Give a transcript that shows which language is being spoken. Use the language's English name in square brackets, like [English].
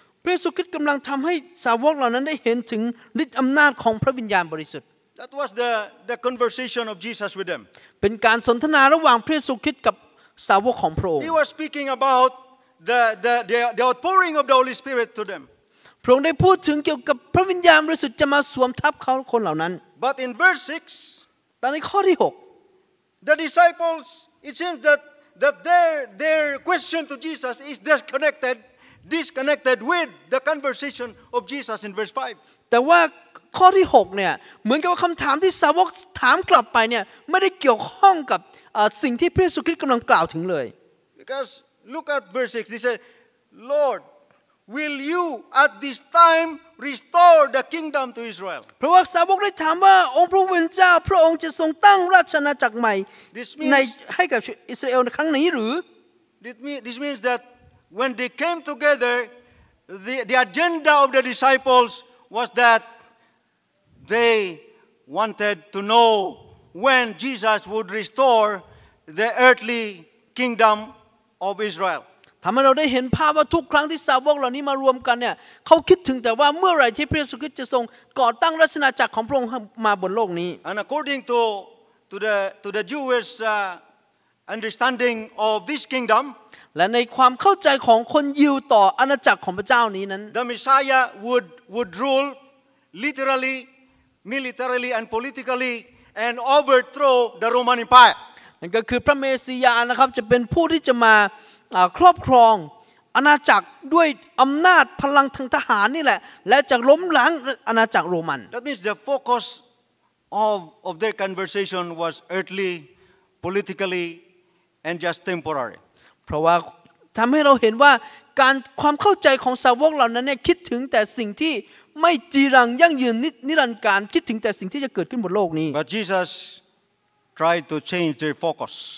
[Thai] พระเยซูคริสต์กำลังทำให้สาวกเหล่านั้นได้เห็นถึงฤทธิ์อำนาจของพระวิญญาณบริสุทธิ์ [English] That was the conversation of Jesus with them. [Thai] เป็นการสนทนาระหว่างพระเยซูคริสต์กับสาวกของพระองค์ [English] He was speaking about the outpouring of the Holy Spirit to them. [Thai] พระองค์ได้พูดถึงเกี่ยวกับพระวิญญาณบริสุทธิ์จะมาสวมทับเขาคนเหล่านั้น [English] But in verse 6 [Thai] แต่ในข้อที่6 [English] the disciplesIt seems that their question to Jesus is disconnected with the conversation of Jesus in verse 5. [Thai] แต่ว่าข้อที่6เนี่ยเหมือนกับว่าคำถามที่สาวกถามกลับไปเนี่ยไม่ได้เกี่ยวข้องกับสิ่งที่พระเยซูคริสต์กำลังกล่าวถึงเลย [English] Because look at verse 6. He said, "Lord, will you at this time restore the kingdom to Israel?" [Thai] เพราะว่าสาวกได้ถามว่าองค์พระผู้เป็นเจ้าพระองค์จะทรงตั้งราชอาณาจักรใหม่ให้กับอิสราเอลในครั้งนี้หรือ [English] This means that when they came together the agenda of the disciples was that they wanted to know when Jesus would restore the earthly kingdom of Israel [Thai] ทำให้เราได้เห็นภาพว่าทุกครั้งที่สาวกเหล่านี้มารวมกันเนี่ยเขาคิดถึงแต่ว่าเมื่อไรที่พระเยซูคริสต์จะทรงก่อตั้งราชอาณาจักรของพระองค์มาบนโลกนี้ [English] And accordingto the Jewish understanding of this kingdom [Thai] และในความเข้าใจของคนยิวต่ออาณาจักรของพระเจ้านี้นั้น [English] the Messiah would rule literally militarily and politically and overthrow the Roman Empire [Thai] นั่นก็คือพระเมสสิยาห์นะครับจะเป็นผู้ที่จะมาครอบครองอาณาจักรด้วยอำนาจพลังทางทหารนี่แหละและจะล้มล้างอาณาจักรโรมัน [English] That means the focus of their conversation was earthly politically and just temporary [Thai] เพราะว่าทำให้เราเห็นว่าการความเข้าใจของสาวกเหล่านั้นเนี่ยคิดถึงแต่สิ่งที่ไม่จีรังยั่งยืนนิรันดร์การคิดถึงแต่สิ่งที่จะเกิดขึ้นบนโลกนี้ [English] But Jesus tried to change their focus